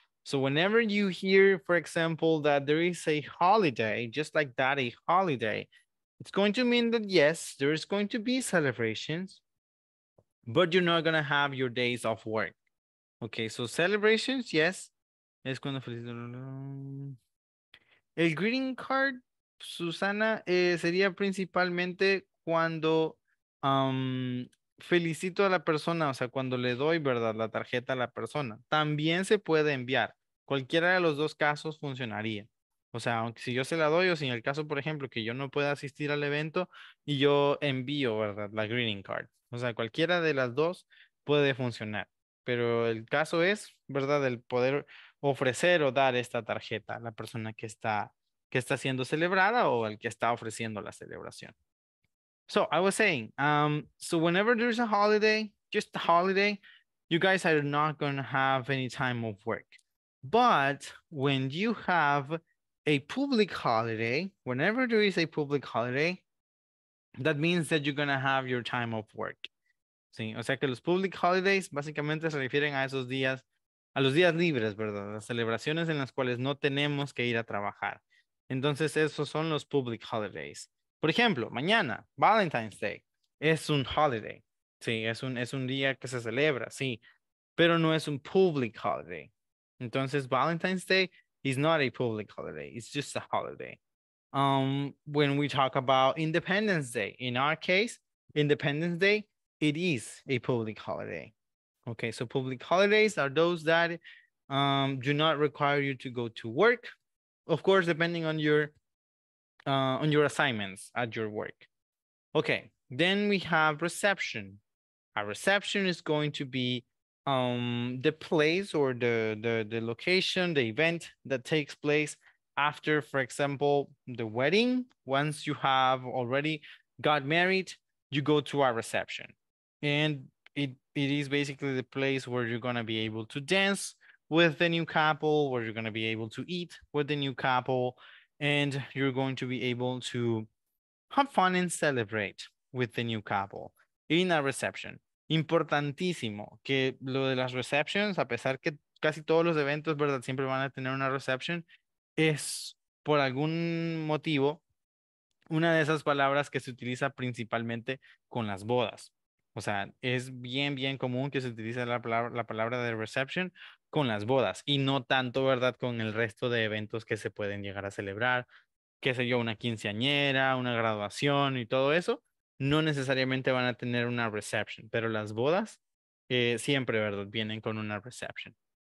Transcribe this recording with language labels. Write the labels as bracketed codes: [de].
[en] So whenever you hear, for example, that there is a holiday, just like that, a holiday, it's going to mean that, yes, there is going to be celebrations, but you're not going to have your days off work. Okay, so celebrations, yes. [es] Es cuando feliz. El greeting card, Susana, sería principalmente cuando felicito a la persona, o sea, cuando le doy, ¿verdad?, la tarjeta a la persona. También se puede enviar. Cualquiera de los dos casos funcionaría. O sea, aunque si yo se la doy o si en el caso, por ejemplo, que yo no pueda asistir al evento y yo envío, ¿verdad?, la greeting card. O sea, cualquiera de las dos puede funcionar. Pero el caso es, ¿verdad?, el poder ofrecer o dar esta tarjeta a la persona que está siendo celebrada o al que está ofreciendo la celebración. [en] So, I was saying, so whenever there's a holiday, just a holiday, you guys are not going to have any time off work. But when you have a public holiday, whenever there is a public holiday, that means that you're going to have your time off work. [es] ¿Sí? O sea que los public holidays básicamente se refieren a esos días, a los días libres, ¿verdad? Las celebraciones en las cuales no tenemos que ir a trabajar. Entonces esos son los public holidays. Por ejemplo, mañana, Valentine's Day, es un holiday. Sí, es un día que se celebra, sí, pero no es un public holiday. [en] Entonces, Valentine's Day is not a public holiday. It's just a holiday. When we talk about Independence Day, in our case, Independence Day, it is a public holiday. Okay, so public holidays are those that do not require you to go to work. Of course, depending on your assignments at your work. Okay, then we have reception. A reception is going to be the place or the location, the event that takes place after, for example, the wedding. Once you have already got married, you go to a reception. And it is basically the place where you're going to be able to dance with the new couple, where you're going to be able to eat with the new couple, and you're going to be able to have fun and celebrate with the new couple in a reception. [es] importantísimo que lo de las receptions, a pesar que casi todos los eventos, ¿verdad?, siempre van a tener una reception, es por algún motivo una de esas palabras que se utiliza principalmente con las bodas. O sea, es bien, bien común que se utilice la palabra de reception con las bodas y no tanto, ¿verdad?, con el resto de eventos que se pueden llegar a celebrar, qué sé yo, una quinceañera, una graduación y todo eso, no necesariamente van a tener una reception, pero las bodas siempre, ¿verdad?, vienen con una reception.